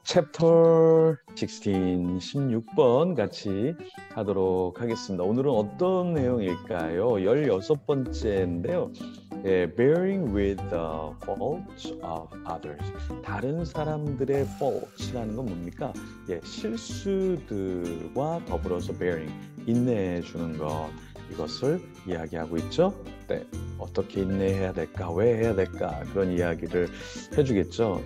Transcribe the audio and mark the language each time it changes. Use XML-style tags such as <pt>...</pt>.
<ko>챕터 16, 16번 같이 하도록 하겠습니다. 오늘은 어떤 내용일까요? 16번째인데요.</ko> <en>네, bearing with the faults of others.</en> <ko>다른 사람들의 faults라는 건 뭡니까? 예, 실수들과 더불어서 bearing, 인내해주는 것. 이것을 이야기하고 있죠. 네, 어떻게 인내해야 될까, 왜 해야 될까 그런 이야기를 해주겠죠.</ko>